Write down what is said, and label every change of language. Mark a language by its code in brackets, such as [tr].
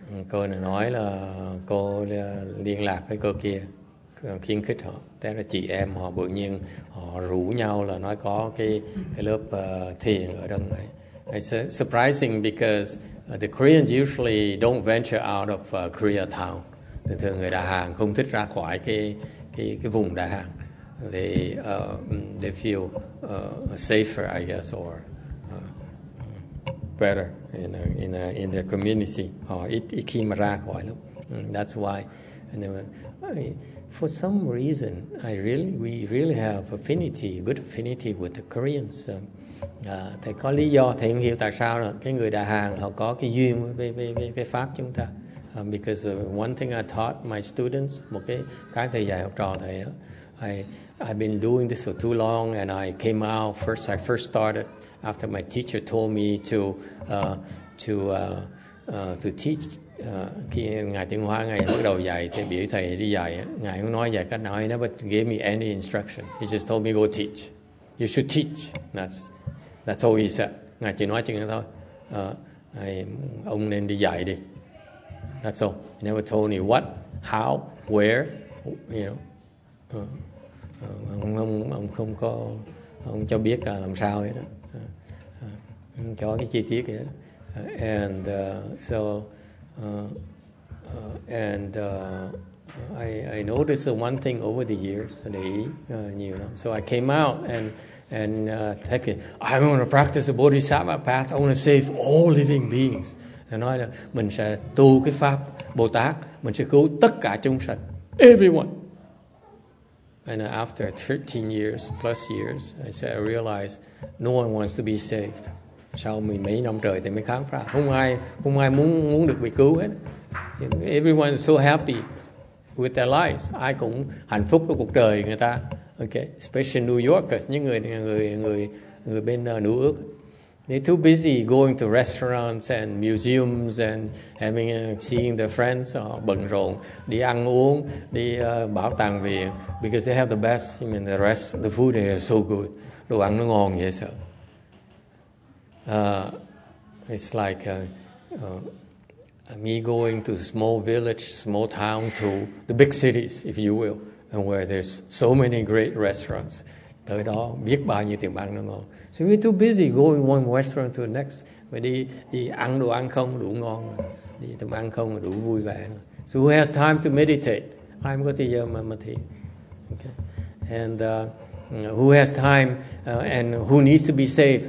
[vi] Cô nói là cô liên lạc với cô kia, khuyến khích họ. Thế là chị em họ bự nhiên họ rủ nhau là nói có cái lớp thiền ở đằng này. [en] It's surprising because the Koreans usually don't venture out of Koreatown. [vi] Thường thường người Đà Hàn không thích ra khỏi cái vùng Đà Hàn. [en] They feel safer, I guess, or better, you know, in the community. [vi] Ít khi mà ra khỏi lắm. [en] That's why. And for some reason, we really have affinity, good affinity with the Koreans. [vi] Thầy có lý do, thầy không hiểu tại sao là cái người Đà Hàn họ có cái duyên với Pháp chúng ta. [en] Because one thing I taught my students, [vi] một cái thầy dạy học trò thầy, [en] I've been doing this for too long and I came out, I first started after my teacher told me to teach. [vi] Khi Ngài Tiếng Hoa, Ngài bắt đầu dạy, thầy biểu thầy đi dạy, Ngài không nói dạy cách nào, [en] he never gave me any instruction. He just told me go teach. You should teach. That's all he said. [vi] Ngài chỉ nói chừng đó thôi. Ông nên đi dạy đi. [en] That's all. He never told me what, how, where, you know. [vi] Ông không có, ông cho biết là làm sao hết đó. Ông cho cái chi tiết hết. [en] I noticed one thing over the years, you know. So I came out and thinking, I want to practice the Bodhisattva path. I want to save all living beings. [vi] Thầy nói là mình sẽ tu cái pháp Bồ Tát, mình sẽ cứu tất cả chúng sanh, [en] everyone. And after 13 years plus years, I said I realized no one wants to be saved. [vi] Sau mấy năm trời thì mới khám phá, không ai muốn được bị cứu hết. [en] Everyone is so happy with their lives. [vi] Ai cũng hạnh phúc với cuộc đời người ta. [en] Okay, especially New Yorkers, [vi] những người bên New York, [en] they're too busy going to restaurants and museums and having seeing their friends. [vi] Bận rộn đi ăn uống, đi bảo tàng viện, [en] because they have the best. I mean, the food here is so good. [vi] Đồ ăn nó ngon dễ sợ. [en] It's like me going to small village, small town to the big cities, if you will, and where there's so many great restaurants. [vi] Tới đó biết bao nhiêu tiệm ăn nó ngon. [en] So we're too busy going one restaurant to the next. [vi] Mà đi ăn đồ ăn không đủ ngon, đi tiệm ăn không đủ vui vẻ. [en] So who has time to meditate? [vi] Ai có thời gian mà thiền? [en] Okay. And who has time and who needs to be saved?